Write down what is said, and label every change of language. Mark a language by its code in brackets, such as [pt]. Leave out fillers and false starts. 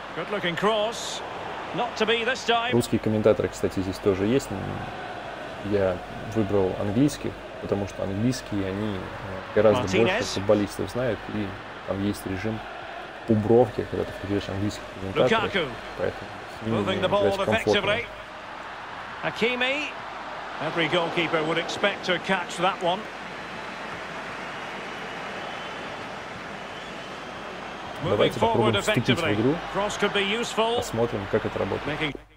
[ru] Русские комментаторы, кстати, здесь тоже есть. Я выбрал английских, потому что английские, они гораздо больше футболистов знают. И там есть режим убровки, когда ты включаешь английских комментаторов. Поэтому с ними играть комфортно. [en] Hakimi. Every goalkeeper would expect to catch that one. [ru] Давайте попробуем вступить в игру. Посмотрим, как это работает.